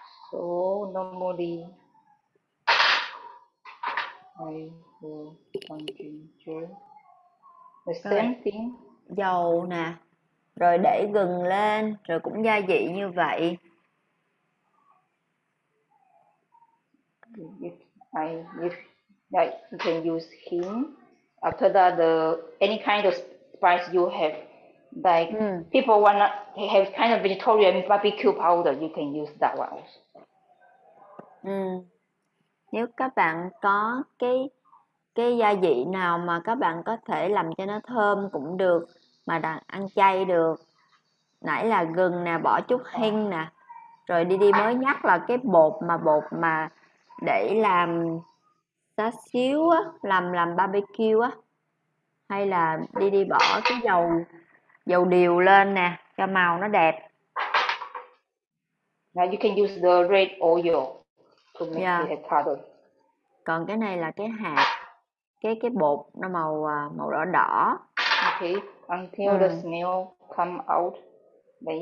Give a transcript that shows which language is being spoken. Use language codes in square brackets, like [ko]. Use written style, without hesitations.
[en] So normally I will continue the same thing. [vi] Dầu nè, rồi để gừng lên, rồi cũng gia vị như vậy. [en] You can use him. After that, the any kind of spice you have, like people wanna have kind of vegetarian barbecue powder, you can use that one also. [vi] Nếu các bạn có cái gia vị nào mà các bạn có thể làm cho nó thơm cũng được mà đặt ăn chay được, nãy là gừng nè, bỏ chút hing nè, rồi đi đi mới nhắc là cái bột mà để làm tá xíu á, làm barbecue á, hay là đi đi bỏ cái dầu điều lên nè cho màu nó đẹp. [en] Now you can use the red oil to make the avocado. [vi] Còn cái này là cái hạt, cái bột nó màu đỏ đỏ. [en] Okay, until the smell come out, then you